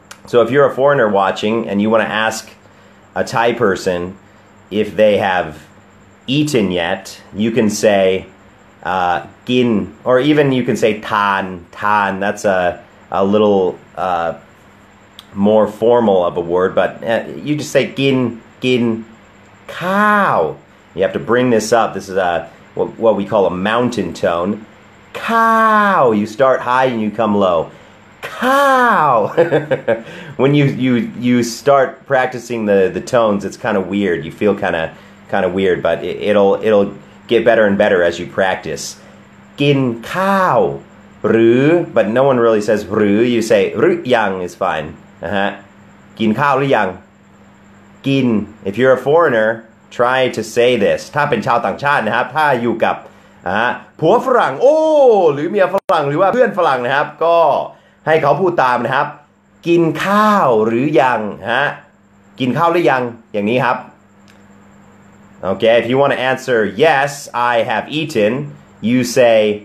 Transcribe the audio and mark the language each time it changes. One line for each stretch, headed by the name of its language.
English: So if you're a foreigner watching and you want to ask a Thai person if they have eaten yet you can say กินor even you can say ทาน that's a little more formal of a word but you just say กินข้าวYou have to bring this up. This is what we call a mountain tone. Cow. You start high and you come low. Cow. When you start practicing the tones, it's kind of weird. You feel kind of kind of weird, but it'll get better and better as you practice.
Thai: กินข้าวหรือ
English: but no one really says หรือ you say หรือยัง is fine. Uh-huh.
Thai: กินข้าวหรือยังกิน
English: if you're a foreigner, try to say this.
Thai: ถ้าเป็นชาวต่างชาตินะครับถ้าอยู่กับผัวฝรั่งโอ้หรือเมียฝรั่งหรือว่าเพื่อนฝรั่งนะครับก็ให้เขาพูดตามนะครับกินข้าวหรือยังฮะกินข้าวหรือยังอย่างนี้ครับโอเค
English: if you want to answer yes I have eaten you say